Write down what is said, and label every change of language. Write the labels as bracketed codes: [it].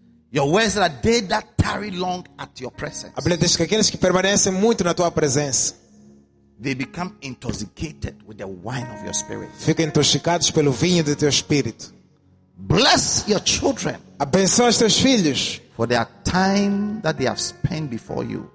[en] Your words are they that tarry long at your presence. [pt] A Bíblia diz que aqueles que permanecem muito na tua presença. [en] They become intoxicated with the wine of your spirit. [pt] Ficam intoxicados pelo vinho do teu espírito. [en] Bless your children. [pt] Abençoa os teus filhos. [en] For the time that they have spent before you.